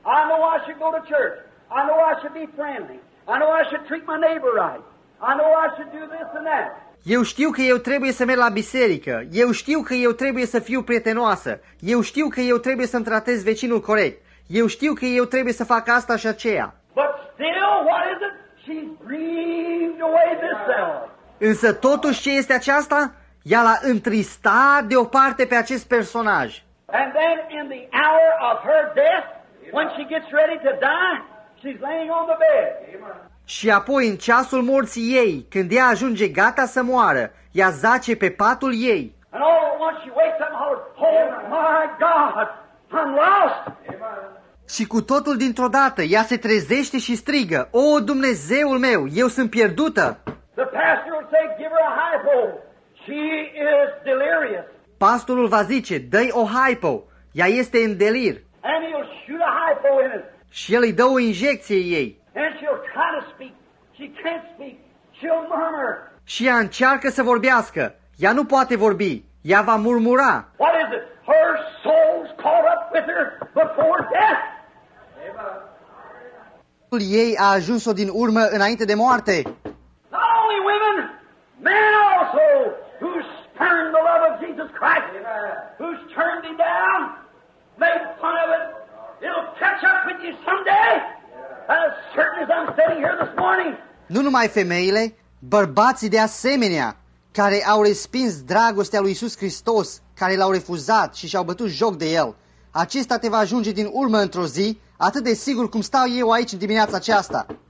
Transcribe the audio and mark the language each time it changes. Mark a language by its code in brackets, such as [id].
[en] I know I should go to church. I know I should be friendly. I know I should treat my neighbor right. I know I should do this and that. [ro] Eu știu că eu trebuie să merg la biserică. Eu știu că eu trebuie să fiu prietenoasă. Eu știu că eu trebuie să-mi tratez vecinul corect. Eu știu că eu trebuie să fac asta și aceea. [en] But still, what is it? She's grieved away this self. [ro] Însă totuși ce este aceasta? Ea l-a întristat de o parte pe acest personaj. [en] And then in the hour of her death, when she gets ready to die, she's laying on the bed. [ro] Și apoi în ceasul morții ei, când ea ajunge gata să moară, ea zace pe patul ei. [en] And all at once she wakes up and hollers, oh my God, I'm lost. [ro] Și cu totul dintr-o dată, ea se trezește și strigă, o, Dumnezeul meu, eu sunt pierdută. [en] The pastor will say, give her a hypo. She is delirious. [ro] Pastorul va zice, dă-i o hypo. Ea este în delir. [en] And he'll shoot a hypo in it. [ro] Și el îi dă o injecție ei. [en] And she'll try to speak. She can't speak. She'll murmur. [ro] Și ea încearcă să vorbească. Ea nu poate vorbi. Ea va murmura. [en] What is it? Her soul's caught up with her before death. Amen. [ro] Ei a ajuns-o din urmă înainte de moarte. [en] Not only women, men also, who's turned the love of Jesus Christ, who's turned him down, made fun of it. It'll catch up with you someday. As certain as I'm sitting here this morning. [ro] Nu numai femeile, bărbații de asemenea, care au respins dragostea lui Iisus Hristos, care l-au refuzat și și-au bătut joc de el, acesta te va ajunge din urmă într-o zi, atât de sigur cum stau eu aici în dimineața aceasta.